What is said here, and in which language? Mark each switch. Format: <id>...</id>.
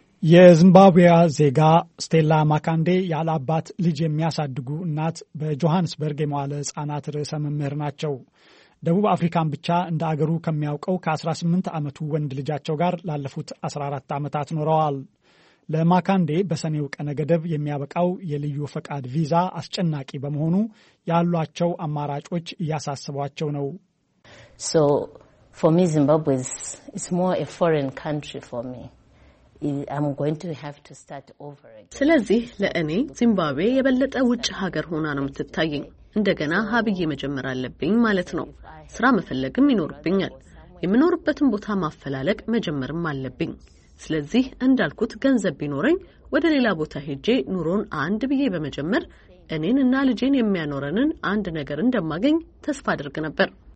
<am>የዚምባብዌያ ዜጋ ስቴላ ማካንዴ ያለ አባት ልጅ የሚያሳድጉ እናት በጆሃንስበርግ የመዋለ ሕጻናት ርዕሰ መምህር ናቸው። ደቡብ አፍሪካን ብቻ እንደ አገሩ ከሚያውቀው ከ18 ዓመቱ ወንድ ልጃቸው ጋር ላለፉት 14 ዓመታት ኖረዋል። ለማካንዴ በሰኔው ቀነ ገደብ የሚያበቃው የልዩ ፈቃድ ቪዛ አስጨናቂ በመሆኑ ያሏቸው አማራጮች እያሳሰቧቸው ነው።</am> <en>So for me Zimbabwe is more a foreign country for me. I'm going to have to start over again.</en> <am>ስለዚህ ለእኔ ዚምባብዌ የበለጠ ውጭ ሀገር ሆና ነው የምትታየኝ። እንደገና ሀብዬ መጀመር አለብኝ ማለት ነው። ስራ መፈለግም ይኖርብኛል። የምኖርበትን ቦታ ማፈላለግ መጀመርም አለብኝ። ስለዚህ እንዳልኩት ገንዘብ ቢኖርኝ ወደ ሌላ ቦታ ሄጄ ኑሮን አንድ ብዬ በመጀመር እኔን እና ልጄን የሚያኖረንን አንድ ነገር እንደማገኝ ተስፋ አድርግ ነበር።</am>